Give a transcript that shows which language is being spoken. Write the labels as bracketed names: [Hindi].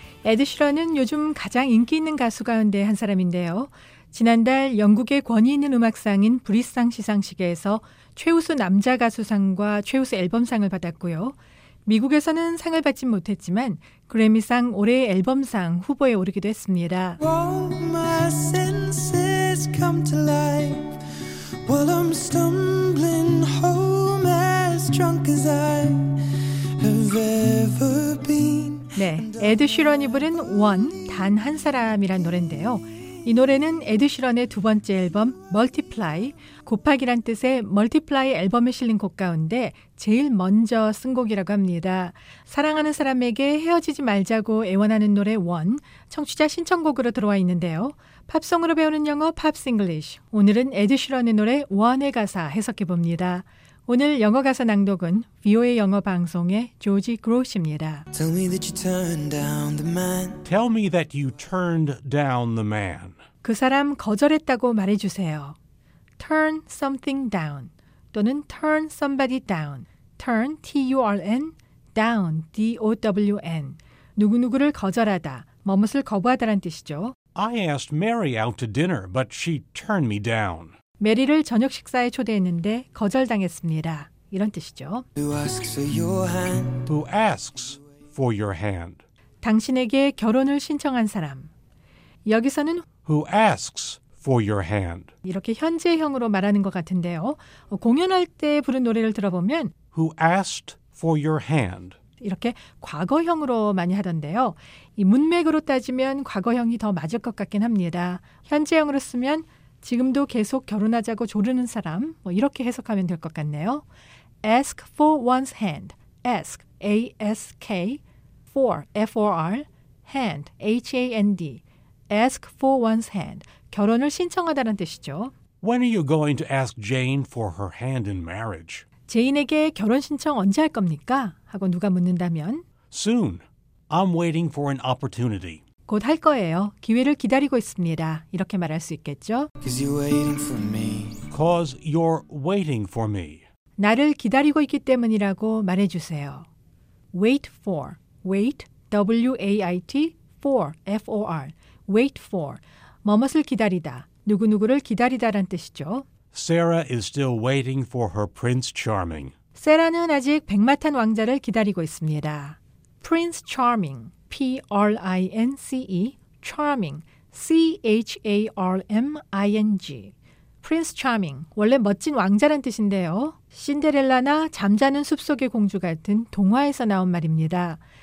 [Korean] 에드 쉬런은 요즘 가장 인기 있는 가수 가운데 한 사람인데요. 지난달 영국의 권위 있는 음악상인 브릿상 시상식에서 최우수 남자 가수상과 최우수 앨범상을 받았고요. 미국에서는 상을 받진 못했지만 그래미상 올해의 앨범상 후보에 오르기도 했습니다. [English] All my senses come to life while I'm stumbling home as drunk as I have ever been. [Korean] 네, 에드 쉬런이 부른 One, 단 한 사람이란 노래인데요. 이 노래는 에드 쉬런의 두 번째 앨범 Multiply, 곱하기란 뜻의 Multiply 앨범에 실린 곡 가운데 제일 먼저 쓴 곡이라고 합니다. 사랑하는 사람에게 헤어지지 말자고 애원하는 노래 One, 청취자 신청곡으로 들어와 있는데요. 팝송으로 배우는 영어 Pops English, 오늘은 에드 쉬런의 노래 One의 가사 해석해봅니다. 오늘 영어 가사 낭독은 VOA 영어 방송의 조지 그로시입니다. [English] Tell me that you turned down the man. Tell me that you turned down the man. [Korean] 그 사람 거절했다고 말해주세요. [English] Turn something down 또는 turn somebody down. Turn, T-U-R-N, down, D-O-W-N. [Korean] 누구누구를 거절하다, 뭐뭇을 거부하다란 뜻이죠. [English] I asked Mary out to dinner, but she turned me down. [Korean] 메리를 저녁 식사에 초대했는데 거절당했습니다. 이런 뜻이죠. [English] Who asks for your hand? Who asks for your hand? [Korean] 당신에게 결혼을 신청한 사람. 여기서는 [English] Who asks for your hand? [Korean] 이렇게 현재형으로 말하는 것 같은데요. 공연할 때 부른 노래를 들어보면 [English] Who asked for your hand? [Korean] 이렇게 과거형으로 많이 하던데요. 이 문맥으로 따지면 과거형이 더 맞을 것 같긴 합니다. 현재형으로 쓰면 지금도 계속 결혼하자고 조르는 사람, 뭐 이렇게 해석하면 될 것 같네요. [English] Ask for one's hand. Ask, A-S-K, for, F-O-R, hand, H-A-N-D. Ask for one's hand. [Korean] 결혼을 신청하다는 뜻이죠. [English] When are you going to ask Jane for her hand in marriage? [Korean] 제인에게 결혼 신청 언제 할 겁니까? 하고 누가 묻는다면 [English] Soon. I'm waiting for an opportunity. [Korean] 곧 할 거예요. 기회를 기다리고 있습니다. 이렇게 말할 수 있겠죠? [English] 'Cause you're waiting for me. 'Cause you're waiting for me. [Korean] 나를 기다리고 있기 때문이라고 말해주세요. [English] Wait for. Wait. W-A-I-T. For. F-O-R. Wait for. [Korean] 뭐뭇을 기다리다. 누구누구를 기다리다란 뜻이죠. [English] Sarah is still waiting for her Prince Charming. [Korean] 세라는 아직 백마탄 왕자를 기다리고 있습니다. [English] Prince Charming. P-R-I-N-C-E, Charming, C-H-A-R-M-I-N-G. [Korean] Prince Charming, 원래 멋진 왕자란 뜻인데요. 신데렐라나 잠자는 숲속의 공주 같은 동화에서 나온 말입니다.